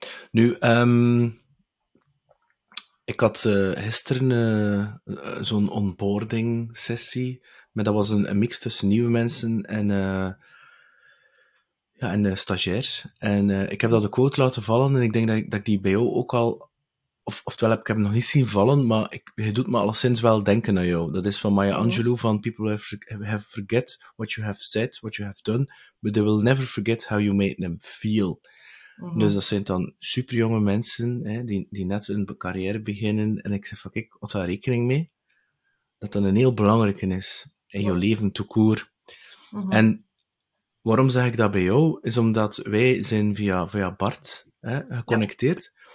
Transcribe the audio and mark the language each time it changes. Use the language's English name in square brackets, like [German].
[Dutch] Nu, ik had gisteren zo'n onboarding sessie, maar dat was een mix tussen nieuwe mensen en stagiairs. En ik heb dat de quote laten vallen en ik denk dat ik die bij jou ook al, oftewel heb ik hem nog niet zien vallen, maar je doet me alleszins wel denken aan jou. Dat is van Maya Angelou van [English] People have forget what you have said, what you have done, but they will never forget how you made them feel. [Dutch] Dus dat zijn dan superjonge mensen die net hun carrière beginnen. En ik zeg van, kijk, wat daar rekening mee? Dat dat een heel belangrijke is in jouw leven, toekomst. En waarom zeg ik dat bij jou? Is omdat wij zijn via Bart geconnecteerd. Ja.